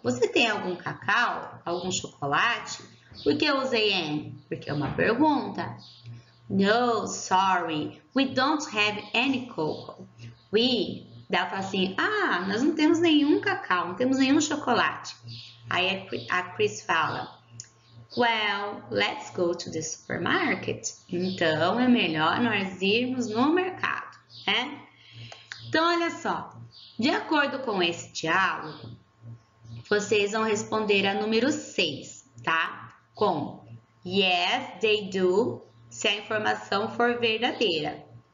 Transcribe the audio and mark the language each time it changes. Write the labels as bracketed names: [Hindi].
[Portuguese] Você tem algum cacau? Algum chocolate? Por que eu usei any? Porque é uma pergunta. [English] No, sorry. We don't have any cocoa. We. [Portuguese] Daí ela fala assim, ah, nós não temos nenhum cacau, não temos nenhum chocolate. Aí a Chris fala, [English] well, let's go to the supermarket. [Portuguese] Então, é melhor nós irmos no mercado, né? Então, olha só. De acordo com esse diálogo, vocês vão responder a número 6, tá? Com, [English] yes, they do, [Portuguese] se a informação for verdadeira.